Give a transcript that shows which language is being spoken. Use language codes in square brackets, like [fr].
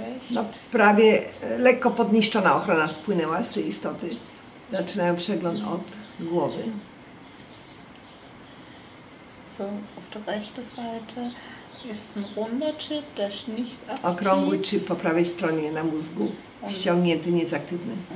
[pl] No, prawie lekko podniszczona ochrona spłynęła z tej istoty. Zaczynają przegląd od głowy. [de] So, auf der rechten Seite ist ein runder Chip, der ist nicht aktiv. [pl] Okrągły chip po prawej stronie na mózgu. ściągnięty, nie jest aktywny.